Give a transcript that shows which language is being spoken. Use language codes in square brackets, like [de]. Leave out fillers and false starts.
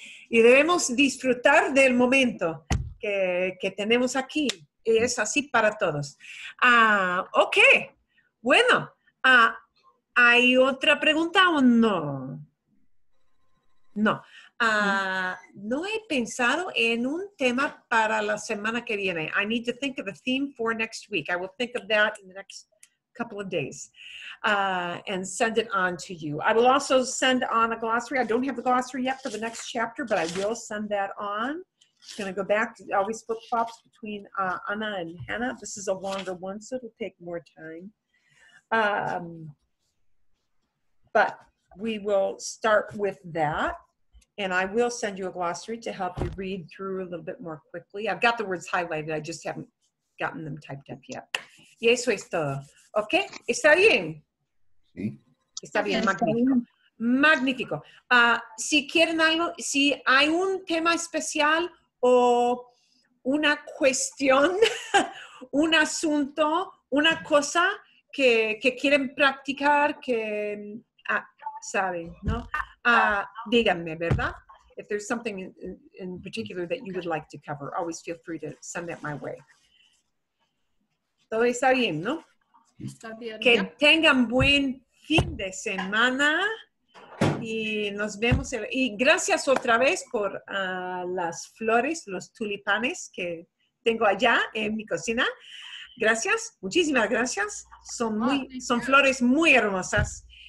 [es] Y debemos disfrutar del momento que tenemos aquí. Y es así para todos. Ok. Bueno. ¿Hay otra pregunta o no? No. No he pensado en un tema para la semana que viene. [en] I need to think of a theme for next week. I will think of that in the next couple of days and send it on to you. I will also send on a glossary. I don't have the glossary yet for the next chapter, but I will send that on. I'm going to go back to always flip flops between Anna and Hannah. This is a longer one, so it'll take more time. But we will start with that. And I will send you a glossary to help you read through a little bit more quickly. I've got the words highlighted. I just haven't gotten them typed up yet. [es] Y eso es todo. ¿Ok? ¿Está bien? Sí. Está bien. Sí, magnífico. Está magnífico. Si quieren algo, si hay un tema especial o una cuestión, un asunto, una cosa que quieren practicar, que saben, ¿no? Díganme, ¿verdad? [en] If there's something in particular that you would like to cover, always feel free to send that my way. [es] Todo está bien, ¿no? Está bien. Que tengan buen fin de semana y nos vemos. Y gracias otra vez por las flores, los tulipanes que tengo allá en mi cocina. Gracias, muchísimas gracias. Son flores muy hermosas.